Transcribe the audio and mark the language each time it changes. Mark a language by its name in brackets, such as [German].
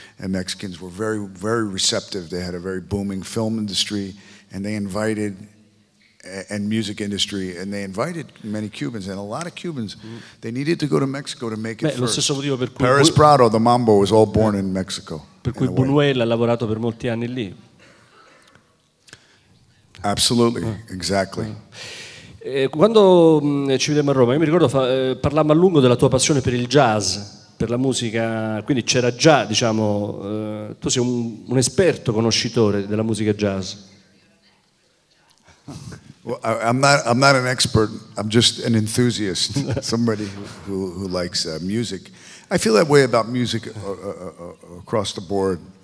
[English] And Mexicans were very, very receptive. They had a very booming film industry and they invited, and music industry, and they invited many Cubans and a lot of Cubans. They needed to go to Mexico to make it first. Paris Prado, the Mambo, was all born in Mexico. [Italian] Per cui Buñuel ha lavorato per molti anni lì. [English] Absolutely, exactly. [Italian] Quando ci vediamo a Roma, io mi ricordo parlammo a lungo della tua passione per il jazz, per la musica, quindi c'era già, diciamo, tu sei un esperto conoscitore della musica jazz. [English] I'm not an expert, I'm just an enthusiast, somebody who likes music. I feel that way about music across the board.